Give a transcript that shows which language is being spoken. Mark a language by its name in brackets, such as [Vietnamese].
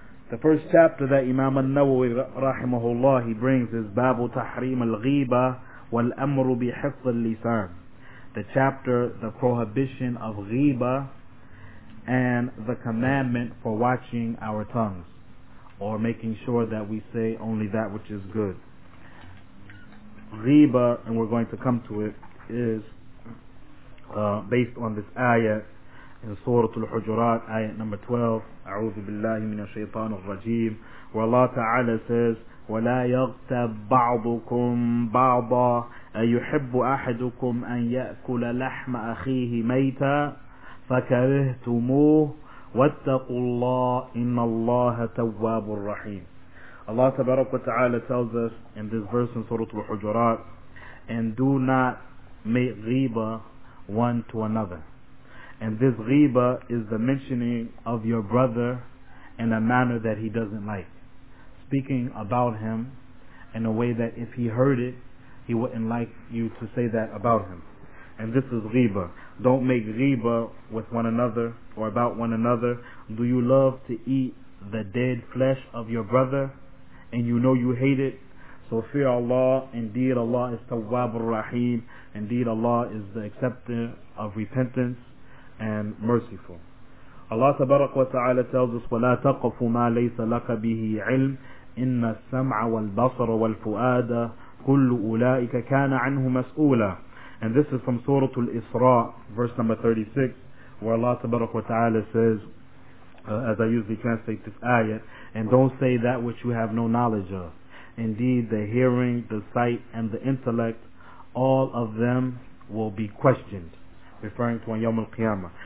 [English] The first chapter that Imam al-Nawawi rahimahullah, he brings is Babu Tahrim al-Ghiba wal-Amru bi-Hifz al-Lisan, the chapter, the prohibition of Ghiba and the commandment for watching our tongues, or making sure that we say only that which is good. Ghiba, and we're going to come to it, is based on this ayat in Surah Al-Hujurat, ayat number 12, [Arabic] أعوذ بالله من الشيطان الرجيم, [English] where Allah Ta'ala says, [Arabic] وَلَا يَغْتَبْ بَعْضُكُمْ بَعْضًا أَيُحِبُّ أَحَدُكُمْ أَنْ يَأْكُلَ لَحْمَ أَخِيهِ مَيْتًا فَكَرِهْتُمُوهُ وَاتَّقُوا اللَّهِ إِنَّ اللَّهَ تَوَّابُ الرَّحِيمُ. [English] Allah Tabarak wa Ta'ala tells us in this verse in Surah Al-Hujurat, and do not make ghiba one to another. And this ghiba is the mentioning of your brother in a manner that he doesn't like, speaking about him in a way that if he heard it, he wouldn't like you to say that about him. And this is ghiba. Don't make ghiba with one another or about one another. Do you love to eat the dead flesh of your brother and you know you hate it? So fear Allah. Indeed Allah is Tawwabur Rahim. Indeed Allah is the acceptor of repentance and merciful. Allah Tabarak wa Ta'ala tells us, [Arabic] وَلَا تَقَفُ مَا لَيْسَ لَكَ بِهِ عِلْمٍ إِنَّ السَّمْعَ وَالْبَصَرَ وَالْفُؤَادَ كُلُّ أُولَٰئِكَ كَانَ عَنْهُ مَسْئُولًا. [English] And this is from Surah Al-Isra, verse number 36, where Allah Tabarak wa Ta'ala says, as I usually translate this ayat, and don't say that which you have no knowledge of. Indeed, the hearing, the sight, and the intellect, all of them will be questioned, referring to on Yawm Al-Qiyamah.